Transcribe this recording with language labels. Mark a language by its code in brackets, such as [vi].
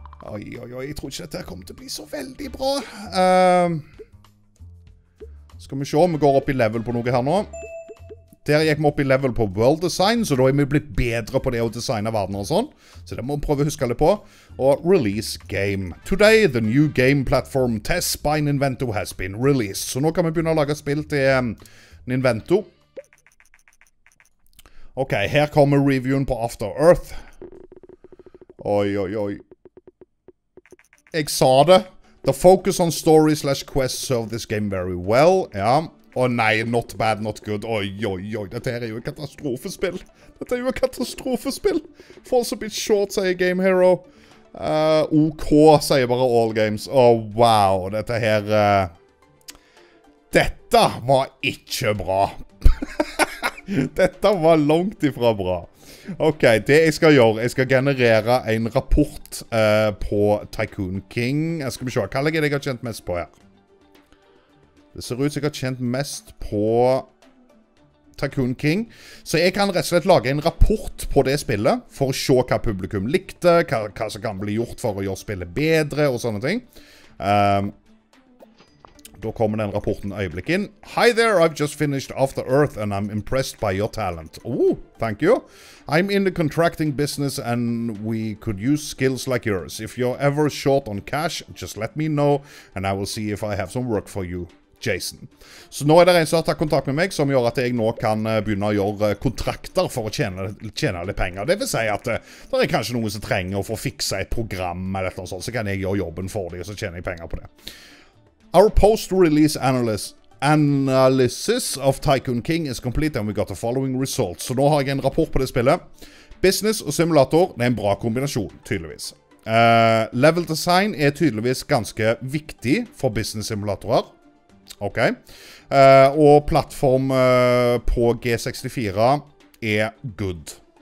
[no] Oi, oi, oi, jeg tror ikke dette her kommer til å bli så veldig bra. Skal vi se om vi går opp i level på noe her nå. Der gikk vi opp i level på world design, så da er vi blitt bedre på det å designe verden og sånn. Så det må vi prøve å huske litt på. Og release game. [en] Today, the new game platform test by Nintendo has been released. [no] Så nå kan vi begynne å lage spill til Nintendo. Ok, her kommer reviewen på After Earth. Oi, oi, oi. Jeg sa det. [en] The focus on story slash quest serve this game very well. [no] Ja. Å nei, [en] not bad, not good. [no] Oi, oi, oi. Dette her er jo et katastrofespill. Dette er jo et katastrofespill. [en] Falls a bit short, [no] sier Game Hero. OK, sier bare All Games. Å, wow. Dette her... Dette var ikke bra. Dette var langt ifra bra. Ok, det jeg skal gjøre, jeg skal generere en rapport på Tycoon King. Jeg skal vi se, hva er det jeg har kjent mest på her? Det ser ut som jeg har kjent mest på Tycoon King. Så jeg kan rett og slett lage en rapport på det spillet, for å se hva publikum likte, hva som kan bli gjort for å gjøre spillet bedre og sånne ting. Da kommer den rapporten øyeblikk inn. [en] Hi there, I've just finished After Earth and I'm impressed by your talent. Oh, thank you. I'm in the contracting business and we could use skills like yours. If you're ever short on cash, just let me know and I will see if I have some work for you, Jason. [no] Så nå er det en som har tatt kontakt med meg som gjør at jeg nå kan begynne å gjøre kontrakter for å tjene litt penger. Det vil si at det er kanskje noen som trenger å få fikse et program eller noe sånt, så kan jeg gjøre jobben for dem og så tjener jeg penger på det. [en] Our post-release analysis of Tycoon King is complete and we got the following results. [no] Så nå har jeg en rapport på det spillet. Business og simulator, det er en bra kombinasjon, tydeligvis. Level design er tydeligvis ganske viktig for business simulatorer. Ok. Og plattform på G64 er good.